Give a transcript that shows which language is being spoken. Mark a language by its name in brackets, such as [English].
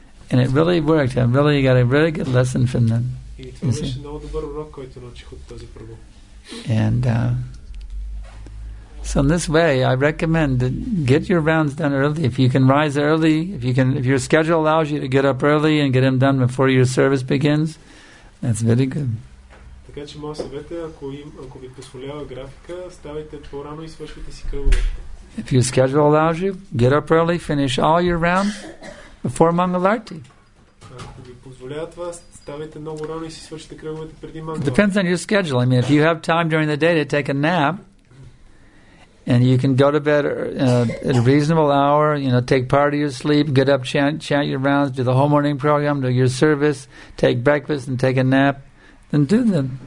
[English] And it really worked. I really got a really good lesson from them. And so in this way, I recommend that get your rounds done early. If you can rise early, if your schedule allows you to get up early and get them done before your service begins, that's very good. [Bulgarian] Така че моят съвет е, ако ви позволява графика, ставайте по-рано и свършвайте си кръговете. [English] If your schedule allows you, get up early, finish all your rounds before Mangalarti. [Bulgarian] Ако ви позволява това, ставайте много рано и си свършвайте кръговете преди Mangalarti. [English] Depends on your schedule. I mean, if you have time during the day to take a nap, and you can go to bed at a reasonable hour, you know, take part of your sleep, get up, chant your rounds, do the whole morning program, do your service, take breakfast and take a nap, then do them.